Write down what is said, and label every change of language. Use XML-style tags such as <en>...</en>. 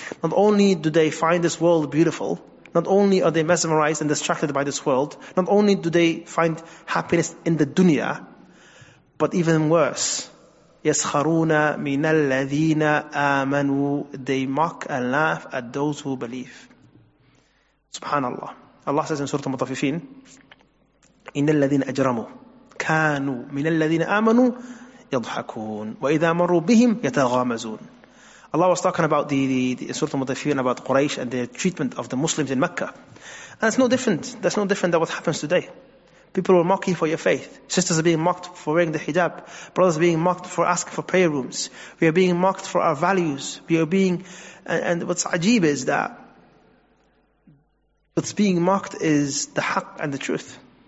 <en>Not only do they find this world beautiful, not only are they mesmerized and distracted by this world, not only do they find happiness in the dunya, but even worse,</en> <ar>يَسْخَرُونَ مِنَ الَّذِينَ آمَنُوا,</ar> <en>they mock and laugh at those who believe. SubhanAllah. Allah says in Surah Al-Mutaffifin,</en> <ar>إن الذين أجرموا كانوا من الذين آمنوا يضحكون وإذا مروا بهم يتغامزون.</ar> <en>Allah was talking about the Surah Al-Mudaffirin, about Quraysh and the treatment of the Muslims in Mecca. And it's no different. That's no different than what happens today. People will mock you for your faith. Sisters are being mocked for wearing the hijab. Brothers are being mocked for asking for prayer rooms. We are being mocked for our values. We are being, and what's ajeeb is that what's being mocked is the haqq and the truth.</en>